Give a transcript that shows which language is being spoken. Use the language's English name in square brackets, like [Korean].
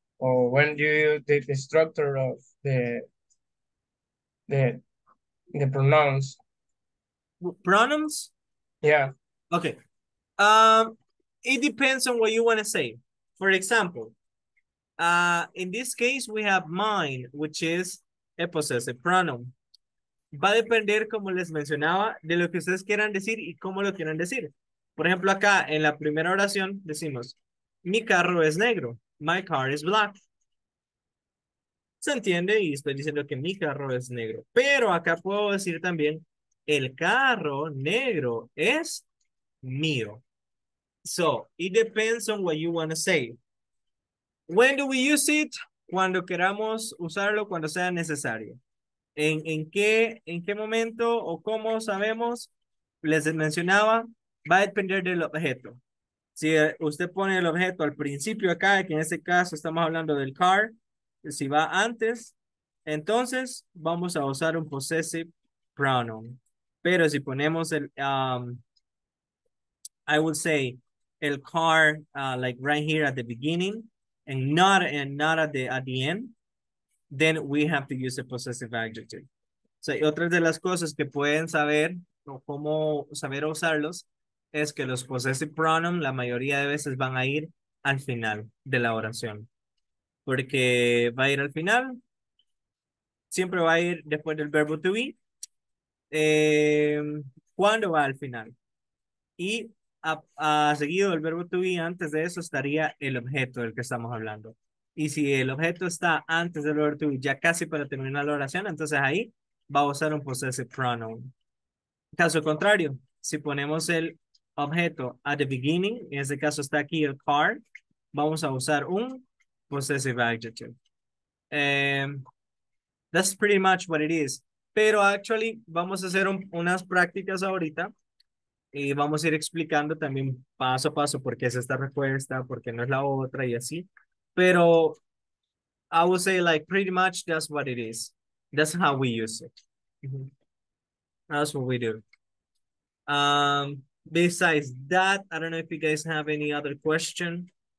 [English] Or when do you use the structure of the pronouns? Pronouns? Yeah. Okay. It depends on what you want to say. For example, in this case, we have mine, which is a possessive pronoun. [Spanish] Va a depender, como les mencionaba, de lo que ustedes quieran decir y cómo lo quieran decir. Por ejemplo, acá en la primera oración decimos, mi carro es negro. [English] My car is black. [Spanish] Se entiende y estoy diciendo que mi carro es negro. Pero acá puedo decir también, el carro negro es mío. [English] So, it depends on what you want to say. When do we use it? [Spanish] Cuando queramos usarlo, cuando sea necesario. ¿En qué momento o cómo sabemos? Les mencionaba, va a depender del objeto. Si usted pone el objeto al principio acá, que en este caso estamos hablando del car, si va antes, entonces vamos a usar un possessive pronoun. Pero si ponemos el, [English] I would say, el car, like right here at the beginning, and not at the end, then we have to use a possessive adjective. [Spanish] So, otras de las cosas que pueden saber, o cómo saber usarlos, es que los possessive pronouns, la mayoría de veces van a ir al final de la oración. Porque va a ir al final, siempre va a ir después del verbo to be, cuando va al final. Y seguido el verbo to be, antes de eso estaría el objeto del que estamos hablando. Y si el objeto está antes del verbo to be, ya casi para terminar la oración, entonces ahí va a usar un possessive pronoun. Caso contrario, si ponemos el objeto [English] at the beginning, [Spanish] en este caso está aquí el car, vamos a usar un possessive adjective. [English] That's pretty much what it is. [Spanish] Pero actually, vamos a hacer unas prácticas ahorita y vamos a ir explicando también paso a paso por qué es esta respuesta, por qué no es la otra y así. Pero [English] I would say like pretty much that's what it is. That's how we use it. Mm-hmm. That's what we do. Besides that, I don't know if you guys have any other question.